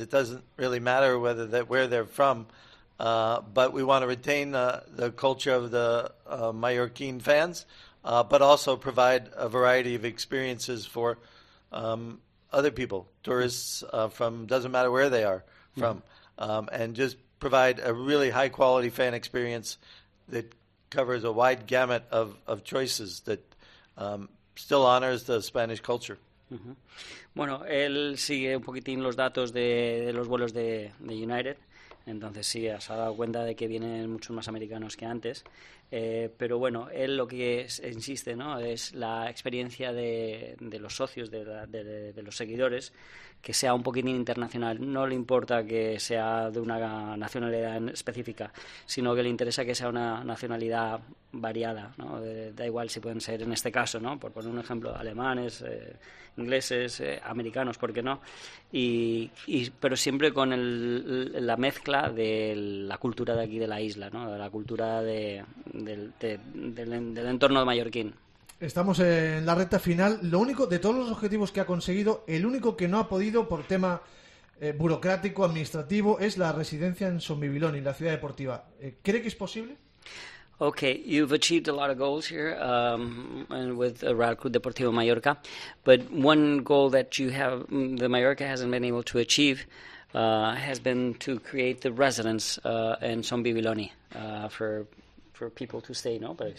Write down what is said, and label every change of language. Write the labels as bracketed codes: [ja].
[en] It doesn't really matter where they're from, but we want to retain the culture of the Mallorquin fans, but also provide a variety of experiences for other people, tourists from, doesn't matter where they are from, and just provide a really high quality fan experience that covers a wide gamut of choices that still honors the Spanish culture. Mm-hmm. [es] Bueno, él sigue un poquitín los datos de los vuelos de United, entonces sí, se ha dado cuenta de que vienen muchos más americanos que antes, pero bueno, él lo que insiste, ¿no?, es la experiencia de los socios, de los seguidores, que sea un poquitín internacional. No le importa que sea de una nacionalidad específica, sino que le interesa que sea una nacionalidad variada, ¿no? Da igual si pueden ser, en este caso, ¿no?, por poner un ejemplo, alemanes, ingleses, americanos, ¿por qué no? Pero siempre con la mezcla de la cultura de aquí de la isla, ¿no?, de la cultura del entorno de mallorquín. Estamos en la recta final. Lo único, de todos los objetivos que ha conseguido, el único que no ha podido por tema burocrático, administrativo, es la residencia en Sonbibilón, en la ciudad deportiva. ¿Cree que es posible? [en] Okay, you've achieved a lot of goals here with Real Club Deportivo Mallorca, but one goal that the Mallorca hasn't been able to achieve has been to create the residence in Sonbibilón for people to stay, no?